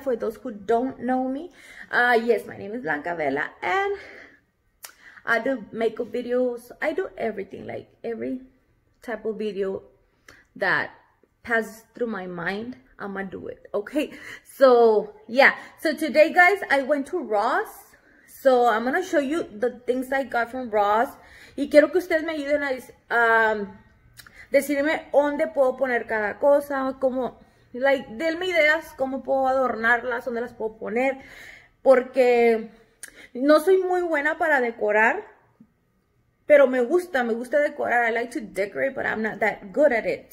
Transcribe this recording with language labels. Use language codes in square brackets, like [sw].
[en] For those who don't know me, yes, my name is Blanca Bella and I do makeup videos. I do everything, like every type of video that passes through my mind, I'ma do it. Okay, so yeah, so today guys, I went to Ross. So I'm gonna show you the things I got from Ross. [es] Y quiero que ustedes me ayuden a decirme dónde puedo poner cada cosa, cómo, like, denme ideas, cómo puedo adornarlas, dónde las puedo poner, porque no soy muy buena para decorar, pero me gusta decorar. [en] I like to decorate, but I'm not that good at it.